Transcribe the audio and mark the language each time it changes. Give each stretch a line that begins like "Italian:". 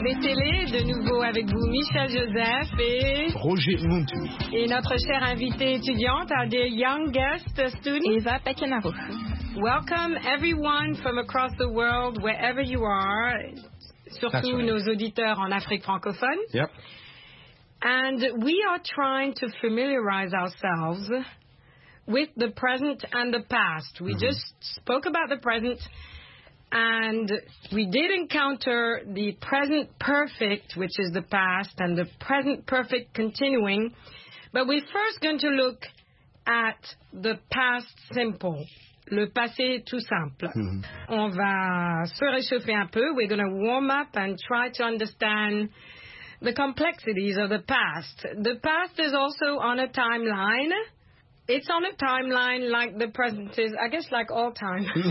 French: Avec vous, Michel Joseph et Roger Muntu. Et notre chère invitée étudiante,
English: our dear young guest student,
French: Eva Pekinaru.
English: Welcome everyone from across the world, wherever you are, surtout right.
French: Nos auditeurs en Afrique francophone.
English: Yep. And we are trying to familiarize ourselves with the present and the past. We just spoke about the present. And we did encounter the present perfect, which is the past, and the present perfect continuing. But we're first going to look at the past simple,
French: le passé tout simple. Mm-hmm. On va se réchauffer un peu.
English: We're going to warm up and try to understand the complexities of the past. The past is also on a timeline. It's on a timeline like the present is, I guess, like all time.